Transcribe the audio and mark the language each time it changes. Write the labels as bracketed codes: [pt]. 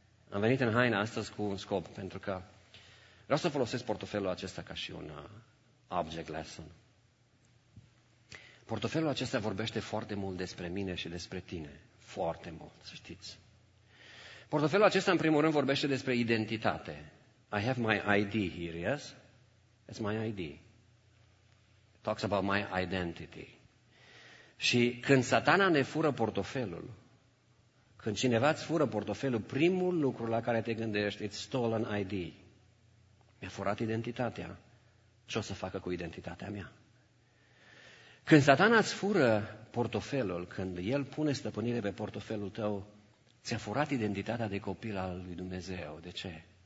[ro] Am venit în haină astăzi cu un scop, pentru că vreau să folosesc portofelul acesta ca și un object lesson. Portofelul acesta vorbește foarte mult despre mine și despre tine. Foarte mult, să știți. Portofelul acesta, în primul rând, vorbește despre identitate. [en] I have my ID here, yes? It's my ID. talks about my identity. [ro] Și când Satana ne fură portofelul, când cineva îți fură portofelul, primul lucru la care te gândești, [en] it's stolen ID. [ro] Mi-a furat identitatea. Ce o să facă cu identitatea mea? Când Satana îți fură portofelul, când el pune stăpânire pe portofelul tău, ți-a furat identitatea de copil al lui Dumnezeu. De ce?